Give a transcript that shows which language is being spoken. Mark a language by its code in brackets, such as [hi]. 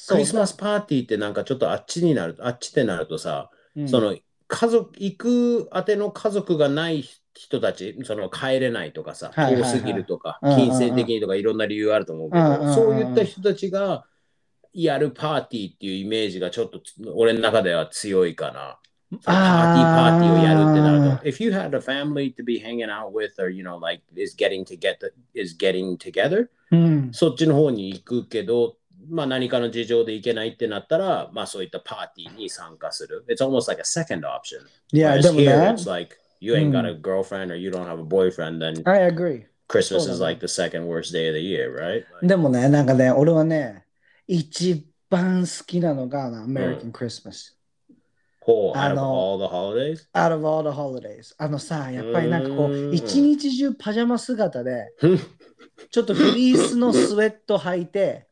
[ja] クリスマスパーティーってなんかちょっとあっちになるあっちってなるとさ、その家族行くあての家族がない人たち、その帰れないとかさ、多すぎるとか、金銭的にとかいろんな理由あると思うけど、そういった人たちがやるパーティーっていうイメージがちょっと俺の中では強いかな。パーティーをやるってなると。 [en] If you had a family to be hanging out with or, you know, like is getting together,、 [ja] うん、そっちの方に行くけど、まあ何かの事情で行けないってなったら、まあそういったパーティーに参加する。 [en] It's almost like a second option. [ja] Yeah, でもね。 [en] It's like you ain't got a girlfriend or you don't have a boyfriend, then I agree. Christmas is like the second worst day of the year, right? [ja] Like, でもね、なんかね、俺はね、一番好きなのがアメリカンクリスマス。 [en] Out of all the holidays? [ja] あのさ、やっぱりなんかこう、一日中パジャマ姿で、ちょっとフリースのスウェット履いて、